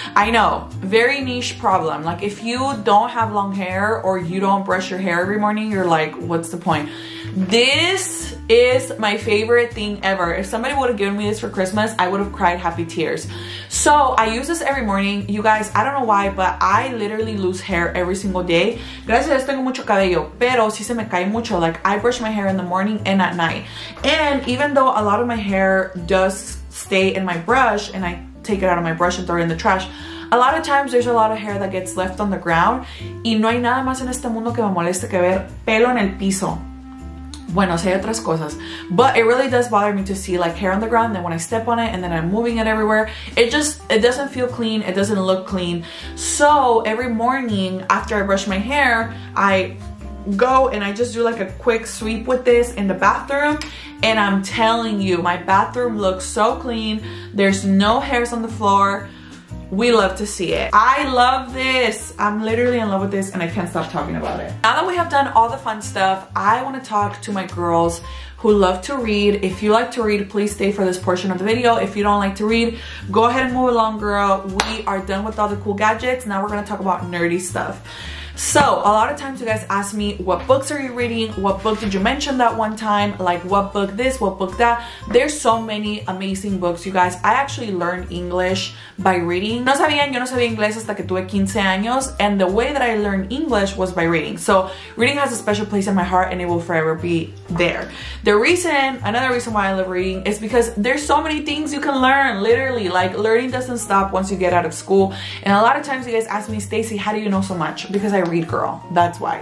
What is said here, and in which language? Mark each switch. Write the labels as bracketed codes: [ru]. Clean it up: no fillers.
[en] I know, very niche problem. Like, if you don't have long hair or you don't brush your hair every morning, you're like, what's the point? This is my favorite thing ever. If somebody would have given me this for Christmas, I would have cried happy tears. So I use this every morning. You guys, I don't know why, but I literally lose hair every single day. [es] Gracias a Dios tengo mucho cabello, pero si se me cae mucho. [en] Like, I brush my hair in the morning and at night. And even though a lot of my hair does stay in my brush and I take it out of my brush and throw it in the trash, A lot of times there's a lot of hair that gets left on the ground. [es] Y no hay nada más en este mundo que me moleste que ver pelo en el piso. Bueno, sí hay otras cosas. [en] But it really does bother me to see like hair on the ground. Then when I step on it and then I'm moving it everywhere, it just, it doesn't feel clean. It doesn't look clean. So every morning after I brush my hair, I go and I just do like a quick sweep with this in the bathroom. And I'm telling you, my bathroom looks so clean. There's no hairs on the floor. We love to see it. I love this. I'm literally in love with this and I can't stop talking about it. Now that we have done all the fun stuff, I want to talk to my girls who love to read. If you like to read, please stay for this portion of the video. If you don't like to read, go ahead and move along, girl. We are done with all the cool gadgets. Now we're going to talk about nerdy stuff. So a lot of times you guys ask me, what books are you reading? What book did you mention that one time? Like, what book this, what book that? There's so many amazing books, you guys. I actually learned English by reading. [es] No sabían, yo no sabía inglés hasta que tuve 15 años. [en] And the way that I learned English was by reading. So reading has a special place in my heart and it will forever be there. The reason, another reason why I love reading is because there's so many things you can learn, literally. Like, learning doesn't stop once you get out of school. And a lot of times you guys ask me, Stacey, how do you know so much? Because I read, girl. That's why.